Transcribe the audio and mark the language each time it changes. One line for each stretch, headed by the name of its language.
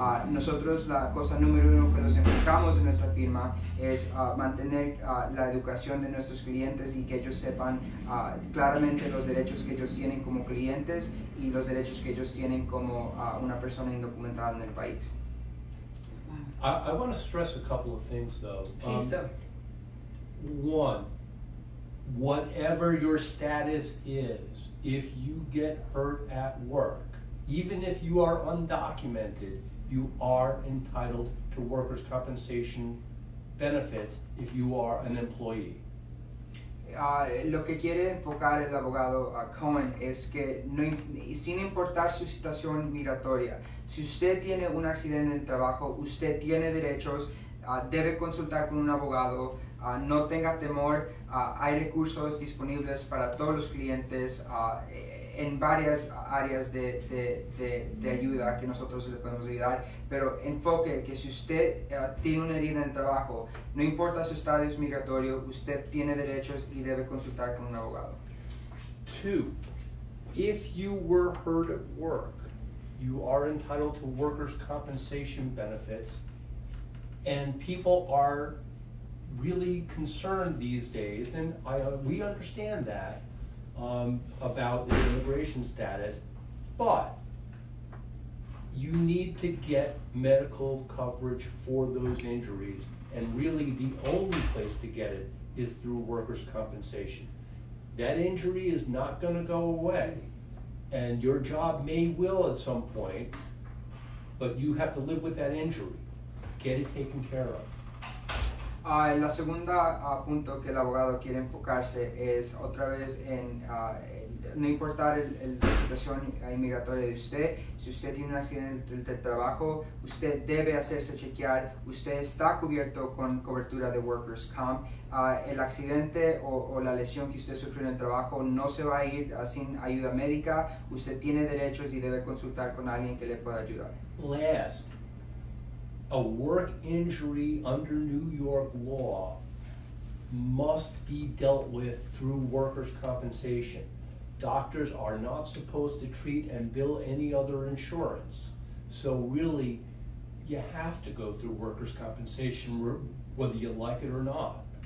Spanish: Nosotros la cosa número uno que nos enfocamos en nuestra firma es mantener la educación de nuestros clientes y que ellos sepan claramente los derechos que ellos tienen como clientes y los derechos que ellos tienen como una persona indocumentada en el país.
English: I want to stress a couple of things though. Please do. One, whatever your status is, if you get hurt at work, even if you are undocumented, you are entitled to workers' compensation benefits if you are an employee.
Spanish: Lo que quiere enfocar el abogado Cohen es que no, sin importar su situación migratoria, si usted tiene un accidente en el trabajo, usted tiene derechos, debe consultar con un abogado. No tenga temor, hay recursos disponibles para todos los clientes en varias áreas de ayuda que nosotros le podemos ayudar, pero enfoque que si usted tiene una herida en el trabajo, no importa su estatus migratorio, usted tiene derechos y debe consultar con un abogado.
English: Two, if you were hurt at work, you are entitled to workers' compensation benefits, and people are really concerned these days, and we understand that about the immigration status, but you need to get medical coverage for those injuries, and really the only place to get it is through workers' compensation. That injury is not going to go away, and your job may will at some point, but you have to live with that injury. Get it taken care of.
Spanish: La segunda punto que el abogado quiere enfocarse es otra vez en no importar la situación inmigratoria de usted, si usted tiene un accidente de trabajo, usted debe hacerse chequear, usted está cubierto con cobertura de Workers' Comp. El accidente o la lesión que usted sufrió en el trabajo no se va a ir sin ayuda médica, usted tiene derechos y debe consultar con alguien que le pueda ayudar.
English: Last. A work injury under New York law must be dealt with through workers' compensation. Doctors are not supposed to treat and bill any other insurance. So really, you have to go through workers' compensation whether you like it or not.